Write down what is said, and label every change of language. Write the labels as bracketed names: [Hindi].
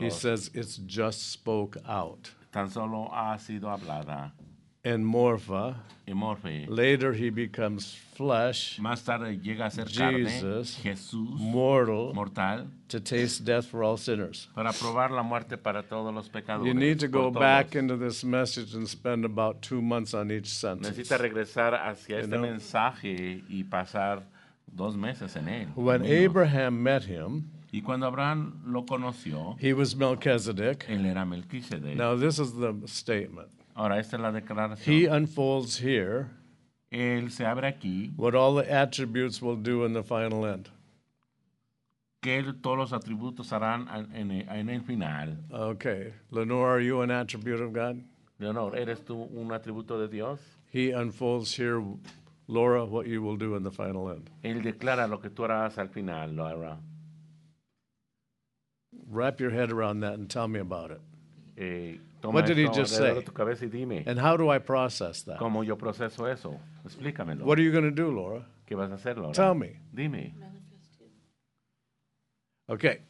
[English] He says, it's just spoke out. [Spanish] Tan solo ha sido hablada. [English] And morpha. [Spanish] Y morphe. [English] Later he becomes flesh. [Spanish] Más tarde llega a ser [English] Jesus, [Spanish] carne. Jesús. [English] Mortal. [Spanish] Mortal. [English] To taste death for all sinners. [Spanish] Para probar la muerte para todos los pecadores. [English] You need to go back into this message and spend about 2 months on each sentence. [Spanish] Necesita regresar hacia este mensaje y pasar 2 meses en él. [English] When Abraham met him. [Spanish] Y cuando Abraham lo conoció, [English] he was Melchizedek. [Spanish] Él era Melquisedec. [English] Now this is the statement. [Spanish] Ahora, esta es la declaración. [English] He unfolds here [Spanish] él se abre aquí. [English] What all the attributes will do in the final end. [Spanish] ¿Qué todos los atributos harán en el final? [English] Okay. Lenore, are you an attribute of God? [Spanish] Lenore, ¿eres tú un atributo de Dios? [English] He unfolds here, Laura, what you will do in the final end. [Spanish] Él declara lo que tú harás al final, Laura. [English] Wrap your head around that and tell me about it. [Spanish] Toma [English] what did he just say? [Spanish] Tu cabeza y dime. [English] And how do I process that? [Spanish] ¿Cómo yo proceso eso? Explícamelo. [English] What are you going to do, Laura? [Spanish] ¿Qué vas a hacer, Laura? [English] Tell me. [Spanish] Dime. [English] Okay.